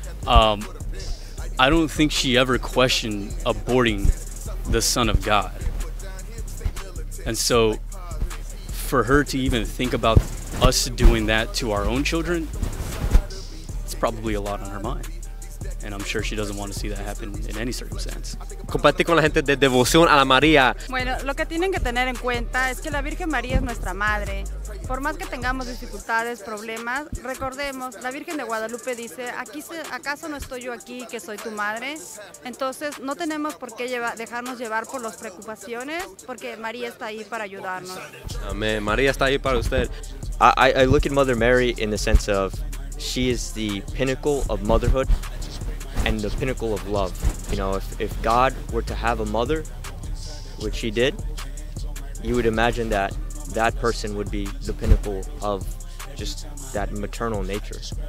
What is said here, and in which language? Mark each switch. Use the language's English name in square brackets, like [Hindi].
[English] I don't think she ever questioned aborting the Son of God. And so for her to even think about us doing that to our own children, it's probably a lot on her mind. And I'm sure she doesn't want to see that happen in any circumstance. [Spanish] Compartir con la gente de devoción a la María. Bueno, lo que tienen que tener en cuenta es que la Virgen María es nuestra madre. Por más que tengamos dificultades, problemas, recordemos, la Virgen de Guadalupe dice, ¿acaso no estoy yo aquí que soy tu madre? Entonces, no tenemos por qué dejarnos llevar por las preocupaciones, porque María está ahí para ayudarnos. Amén. María está ahí para usted. [English] I look at Mother Mary in the sense of, she is the pinnacle of motherhood and the pinnacle of love. You know, if God were to have a mother, which he did, you would imagine that that person would be the pinnacle of just that maternal nature.